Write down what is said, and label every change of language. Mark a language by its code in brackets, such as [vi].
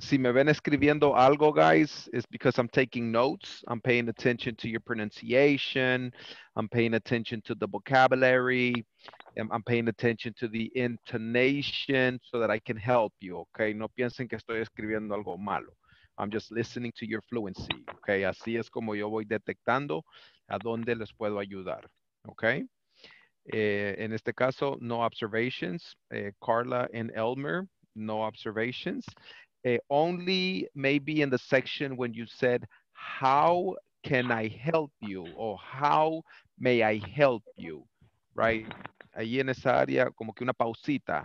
[es] Si me ven escribiendo algo, [en] guys, it's because I'm taking notes. I'm paying attention to your pronunciation. I'm paying attention to the vocabulary. I'm paying attention to the intonation so that I can help you, okay? [es] No piensen que estoy escribiendo algo malo. [en] I'm just listening to your fluency, okay? [es] Así es como yo voy detectando a dónde les puedo ayudar, okay? En este caso, [en] no observations. Carla and Elmer, no observations. Only maybe in the section when you said, how can I help you? Or how may I help you, right? [es] Ahí en esa área, como que una pausita.